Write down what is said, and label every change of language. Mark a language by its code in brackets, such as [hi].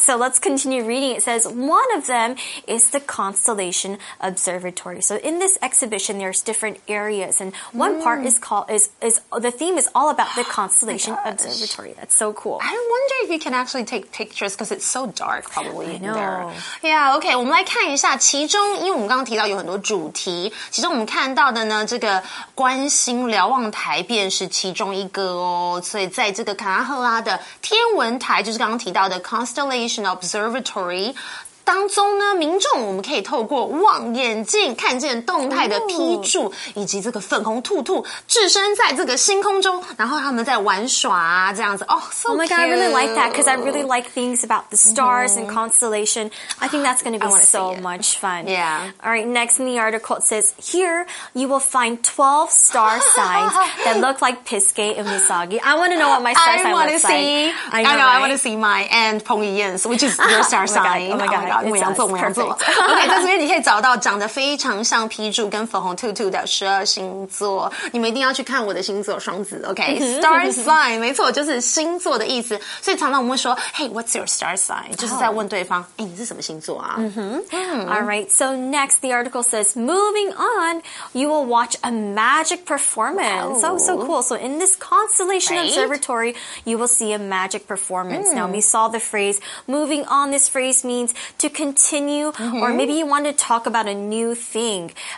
[en] So let's continue reading. It says, one of them is the Constellation Observatory. So in this exhibition, there's different areas. And one part is called, the theme is all about the Constellation Observatory. That's so cool. I wonder if you can actually take pictures because it's so dark probably in there. Yeah, okay. [zh] 我们来看一下其中因为我们刚刚提到有很多主题其中我们看到的呢这个观星瞭望台便是其中一个哦所以在这个卡纳赫拉的天文台就是刚刚提到的 Constellation Observatory 当中呢民众我们可以透过望远镜看见动态的批注以及这个粉红兔兔置身在这个星空中然后他们在玩耍这样子哦、 [en] so Oh my god, I really like that because I really like things about the stars and constellation. I think that's going to be so much fun. Yeah. Alright, next in the article it says, here you will find 12 star signs that look like Pisgay and Misagi. I want to know what my star sign looks like. I want to see mine and Peng Yiyan's, which is your star sign. Oh my god, [zh] 牡羊座 OK, 在这边你可以找到长得非常像批注跟粉红兔兔的十二星座你们一定要去看我的星座双子 OK, star sign 没错就是星座的意思所以常常我们会说 [en] Hey, what's your star sign? [zh] 就是在问对方、欸、你是什么星座啊、 [en] Alright, so next the article says Moving on, you will watch a magic performance Oh, so cool So in this Constellation Observatory you will see a magic performance Now we saw the phrase Moving on, this phrase meansto continue, or maybe you want to talk about a new thing.